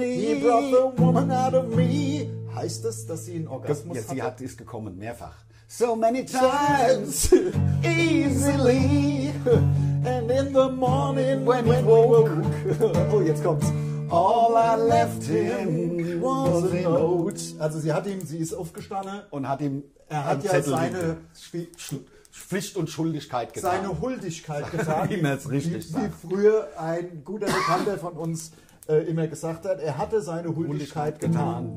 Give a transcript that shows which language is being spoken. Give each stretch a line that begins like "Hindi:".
English: He brought the woman out of me.
German: Heißt das, dass sie einen Orgasmus hatte? Ja, sie hat es gekommen, mehrfach.
English: So many times, easily, and in the morning when he woke.
German: Oh, jetzt kommt's.
English: All I left him was a note.
German: Also sie ist aufgestanden. Und hat ihm Er hat ja Zettel seine Pflicht und Schuldigkeit getan. Seine Huldigkeit getan. Wie man es richtig sagt. Wie früher ein guter Bekannter von uns immer gesagt hat, er hatte seine Huldigkeit getan.